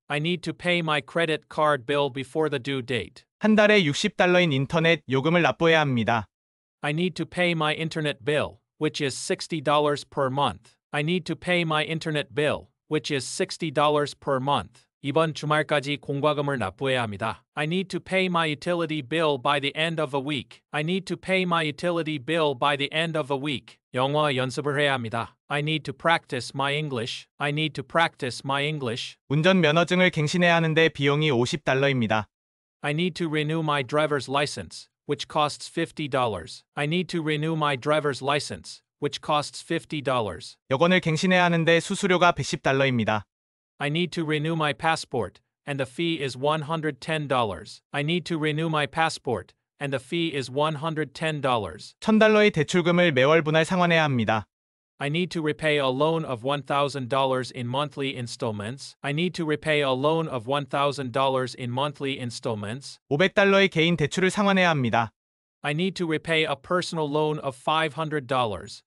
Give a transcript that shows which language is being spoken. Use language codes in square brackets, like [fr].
[en] I need to pay my credit card bill before the due date. [ko] 한 달에 $60인 인터넷 요금을 납부해야 합니다. [en] I need to pay my internet bill, which is $60 per month. I need to pay my internet bill, which is $60 per month. [ko] 이번 주말까지 공과금을 납부해야 합니다. [en] I need to pay my utility bill by the end of the week. I need to pay my utility bill by the end of the week. [ko] 영어 연습을 해야 합니다. [en] I need to practice my English. I need to practice my English. [ko] 운전 면허증을 갱신해야 하는데 비용이 $50입니다. [en] I need to renew my driver's license, which costs $50. I need to renew my driver's license, which costs $50. [ko] 여권을 갱신해야 하는데 수수료가 $110입니다. [en] I need to renew my passport, and the fee is $110. I need to renew my passport, and the fee is $110. [ko] $1,000의 대출금을 매월 분할 상환해야 합니다. [en] I need to repay a loan of $1,000 in monthly installments. I need to repay a loan of $1,000 in monthly installments. [ko] $500의 개인 대출을 상환해야 합니다. [en] I need to repay a personal loan of $500.